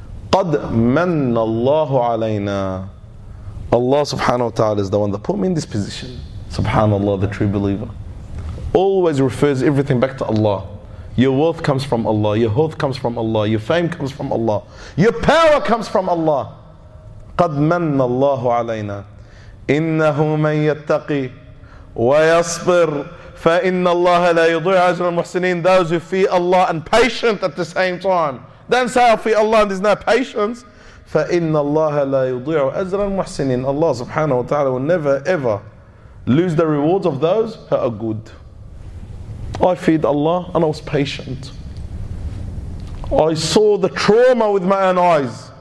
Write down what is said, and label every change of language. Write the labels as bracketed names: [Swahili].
[Arabic] قَدْ مَنَّ اللَّهُ عَلَيْنَا [English] Allah subhanahu wa ta'ala is the one that put me in this position. Subhanallah, the true believer. Always refers everything back to Allah. Your wealth comes from Allah. Your health comes from Allah. Your fame comes from Allah. Your power comes from Allah. [Arabic] قَدْ مَنَّ اللَّهُ عَلَيْنَا إِنَّهُ مَنْ يَتَّقِي وَيَصْبِرْ فَإِنَّ اللَّهَ لَا يُضِيعَ أَجْرَ الْمُحْسِنِينَ [English] Those who fear Allah and patient at the same time. Don't say I fear Allah and there's no patience. [Arabic] فَإِنَّ اللَّهَ لَا يُضِيعَ أَجْرَ الْمُحْسِنِينَ [English] Allah subhanahu wa ta'ala will never ever lose the rewards of those who are good. I feared Allah and I was patient. I saw the trauma with my own eyes.